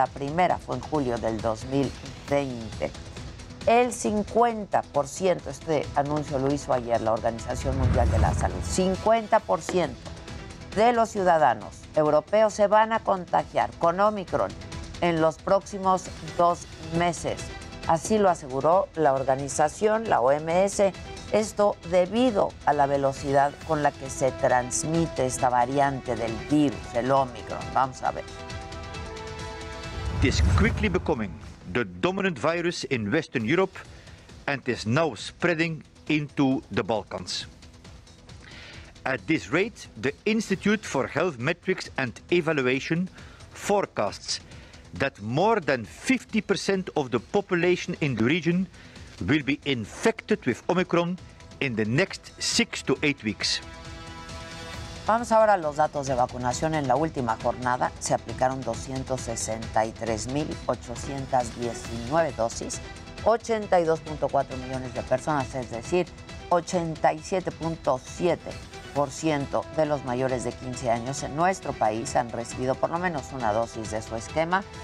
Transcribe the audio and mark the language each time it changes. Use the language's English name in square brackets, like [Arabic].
[Spanish] La primera fue en julio del 2020. El 50%, este anuncio lo hizo ayer la Organización Mundial de la Salud, 50% de los ciudadanos europeos se van a contagiar con Omicron en los próximos 2 meses. Así lo aseguró la organización, la OMS, esto debido a la velocidad con la que se transmite esta variante del virus, el Omicron. Vamos a ver. [English] It is quickly becoming the dominant virus in Western Europe and is now spreading into the Balkans. At this rate, the Institute for Health Metrics and Evaluation forecasts that more than 50% of the population in the region will be infected with Omicron in the next 6 to 8 weeks. [Spanish] Vamos ahora a los datos de vacunación. En la última jornada se aplicaron 263,819 dosis, 82.4 millones de personas, es decir, 87.7% de los mayores de 15 años en nuestro país han recibido por lo menos una dosis de su esquema.